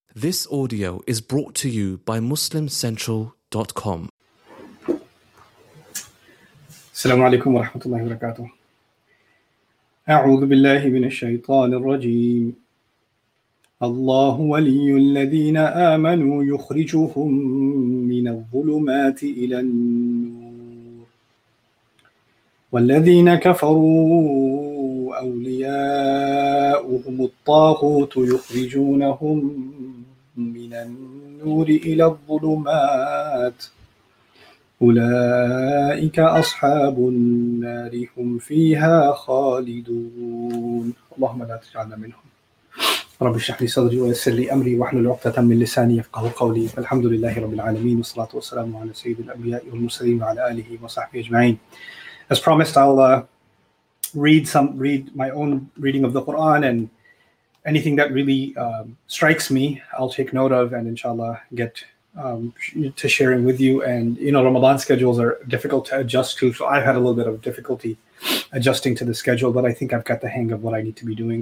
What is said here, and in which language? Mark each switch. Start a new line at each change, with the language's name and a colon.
English: This audio is brought to you by MuslimCentral.com.
Arabic: السلام عليكم ورحمة الله وبركاته. أعوذ بالله من الشيطان الرجيم. الله ولي الذين آمنوا يخرجهم من الظلمات إلى النور. والذين كفروا أولياؤهم الطاغوت يخرجونهم من النور إلى الظلمات أولئك أصحاب النار هم فيها خالدون اللهم لا تجعلنا منهم رب اشرح لي صدري ويسر لي أمري واحلل عقدة من لساني يفقه قولي الحمد لله رب العالمين والصلاة والسلام على سيد الأنبياء والمرسلين وعلى آله وصحبه أجمعين.
English: As promised, I'll read my own reading of the Quran, and anything that really strikes me, I'll take note of, and inshallah get to sharing with you. And you know, Ramadan schedules are difficult to adjust to, so I've had a little bit of difficulty adjusting to the schedule, but I think I've got the hang of what I need to be doing.